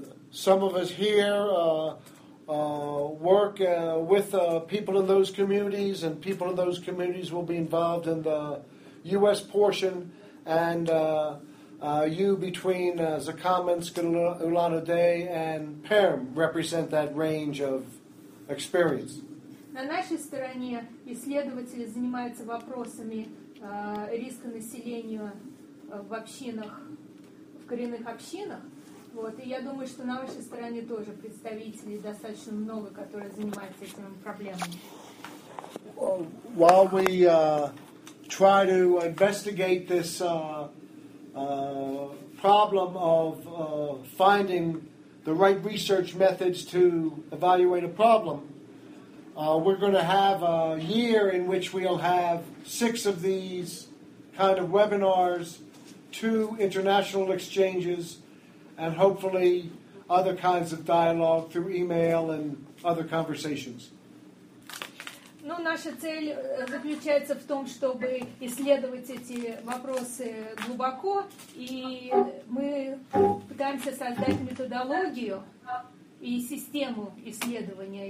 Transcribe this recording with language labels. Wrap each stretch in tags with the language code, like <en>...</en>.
<en>Some of us here work with people in those communities, and people in those communities will be involved in the U.S. portion, and you between Zakhamansk and Улан-Удэ and Perm represent that range of experience.</en> <ru>На нашей стороне исследователи занимаются вопросами риска населению в общинах, в коренных общинах. Вот. И я думаю, что на вашей стороне тоже представителей достаточно много, которые занимаются этими проблемами.</ru> <en>While we try to investigate this problem of finding the right research methods to evaluate a problem, we're going to have a year in which we'll have six of these kind of webinars, two international exchanges, and hopefully other kinds of dialogue through email and other conversations.</en> <ru>Ну, наша цель заключается в том, чтобы исследовать эти вопросы глубоко, и мы пытаемся создать методологию и систему исследования.</ru>